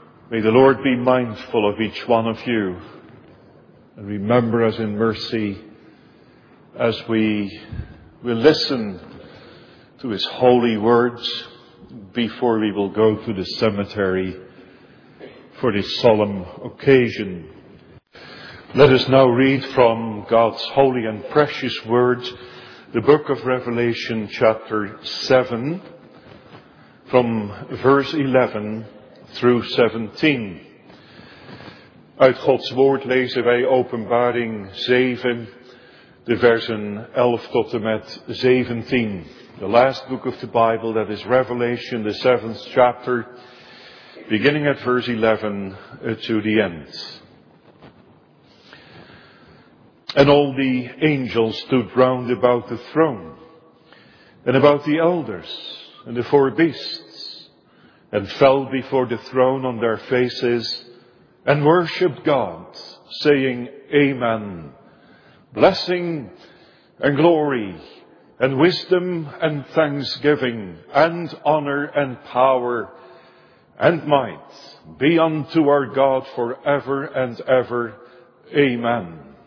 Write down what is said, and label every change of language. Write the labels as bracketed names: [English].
[English] May the Lord be mindful of each one of you and remember us in mercy as we will listen to his holy words before we will go to the cemetery for this solemn occasion. Let us now read from God's holy and precious word, the book of Revelation chapter 7, from verse 11 through 17. [Dutch] Uit Gods woord lezen wij Openbaring 7, de versen 11 tot en met 17. [English] The last book of the Bible, that is Revelation, the 7th chapter, beginning at verse 11 to the end. And all the angels stood round about the throne, and about the elders, and the four beasts, and fell before the throne on their faces, and worshipped God, saying, Amen, blessing and glory, and wisdom and thanksgiving, and honor and power and might be unto our God for ever and ever. Amen.